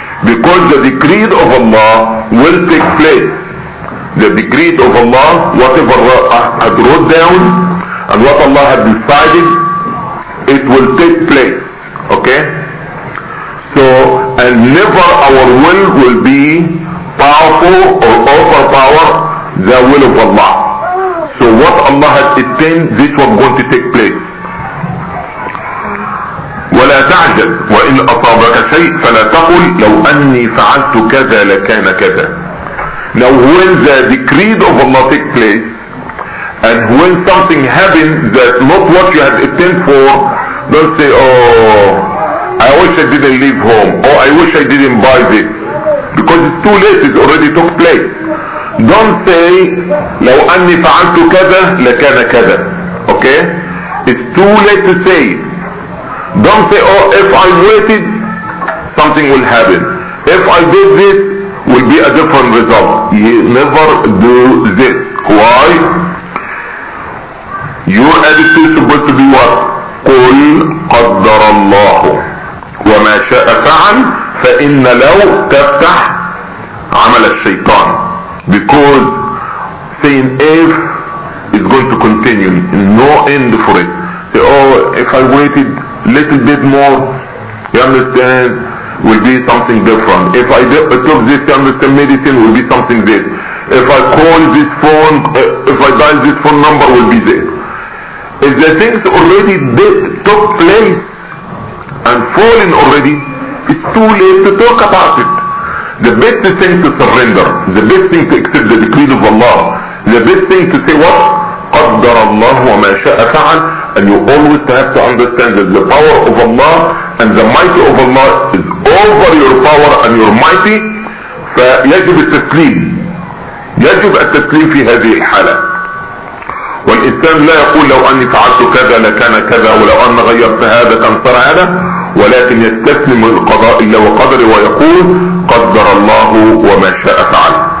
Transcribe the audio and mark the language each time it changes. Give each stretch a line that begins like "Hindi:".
English: Because the decree of Allah will take place. The decree of Allah, whatever Allah had wrote down, and what Allah had decided, it will take place. Okay? So, and never our will be powerful or overpower the will of Allah. So what Allah has intended, this was going to take place.
Arabic: ولا تعجل وإن أصابك شيء فلا تقل لو أني فعلت كذا لكان كذا.
English: Now when the decree of Allah take place, and when something happens that not what you had intended for, Don't say, oh, I wish I didn't leave home, or I wish I didn't buy this, because it's too late, it already took place. Don't say,
Arabic: لو أني فعلت كذا لكان كذا.
English: Okay? It's too late to say. Don't say, oh, if I waited, something will happen. If I did this, will be a different result. You never do this. Why? Your attitude is supposed to be what?
Arabic: قل قدر الله وما شاء فعل فإن لو تفتح عمل الشيطان.
English: Because saying if is going to continue, no end for it. Say, oh, if I waited a little bit more, you understand, will be something different. If I took this, you understand, medicine, will be something this. If I call this phone, if I dial this phone number, will be this. If the things already did, took place and fallen already, it's too late to talk about it. The best thing to surrender, the best thing to accept the decree of Allah, the best thing to say what?
Arabic: قدر الله وما شاء فعل.
English: And you always have to understand that the power of Allah and the might of Allah is over your power and your mighty.
Arabic: فيجب التسليم. يجب التسليم في هذه الحالة. والإنسان لا يقول لو أني فعلت كذا لكان كذا ولو أن غيرت هذا كان صار هذا، ولكن يستسلم القضاء إلا وقدره ويقول قدر الله وما شاء فعل.